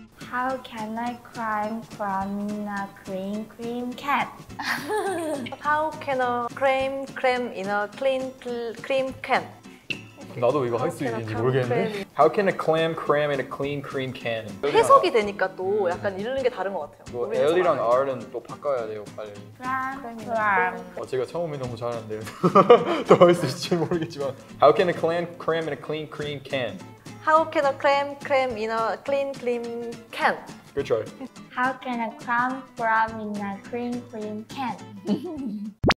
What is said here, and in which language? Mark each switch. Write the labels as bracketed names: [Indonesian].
[English] How can I climb from a clean cat? How can I climb in a clean cream can? [Korean] 나도 이거 할 수 있는지 모르겠는데. [English] How can a clam cram in a clean cream can? [Korean] 해석이 되니까 또 약간 읽는 게 다른 것 같아요. 또 L이랑 R은 또 바꿔야 돼요, 빨리. [English] Clam. [Korean] 제가 처음이 너무 잘하는데 더 할 수 있을지 모르겠지만. [English] How can a clam cram in a clean cream can? How can a clam cram in a clean can? Good try. How can a clam cram in a clean can?